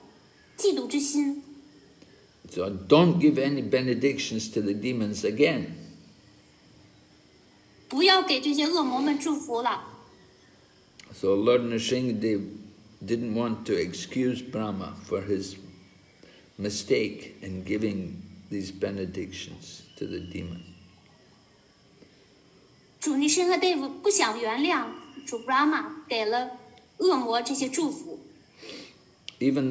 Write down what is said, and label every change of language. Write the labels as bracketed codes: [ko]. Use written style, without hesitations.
[zh] 嫉妒，并且危险，并且是有很重的嫉妒之心。 [en] So don't give any benedictions to the demons again. [zh] 不要给这些恶魔们祝福了。 [en] So Lord Narasimhadeva didn't want to excuse Brahma for his mistake in giving these benedictions to the demons. [zh] 主尼申和Dave不想原谅主 Brahma 给了恶魔这些祝福。 [en] Even